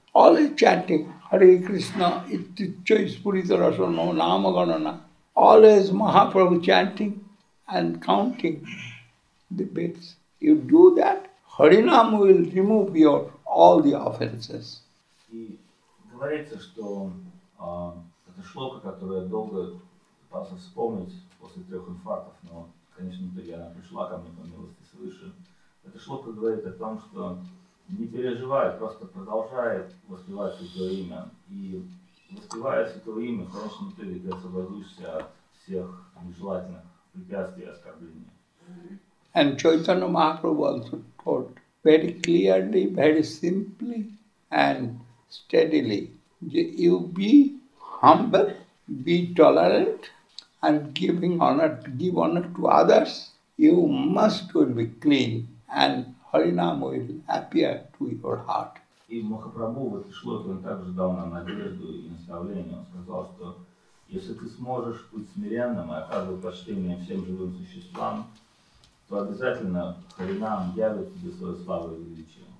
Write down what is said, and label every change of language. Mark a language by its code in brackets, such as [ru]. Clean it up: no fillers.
[en] Always chanting Hare Krishna, Iti Choice Purita Rasana, Nama Ganana. Always Mahaprabhu chanting and counting the bits. You do that, Harinam will remove your all the offenses. [ru] Говорится, что это шлока, которую я долго пытался вспомнить после 3 инфарктов, но, конечно, в итоге она пришла ко мне по милости свыше. Эта шлока говорит о том, что не переживает, просто продолжает воспевать святое имя. И воспевая святое имя, в конечном итоге ты освободишься от всех нежелательных препятствий и оскорблений. [en] And Chaitanya Mahaprabhu also taught very clearly, very simply and steadily. You be humble, be tolerant, and give honor to others, you must will be clean, and Harinam will appear to your heart. [ru] И Махапрабху в этой шлоке он также дал нам надежду и наставление. Он сказал, что если ты сможешь быть смиренным и оказывать почтение всем живым существам, то обязательно Харинам явит тебе свою славу и величие.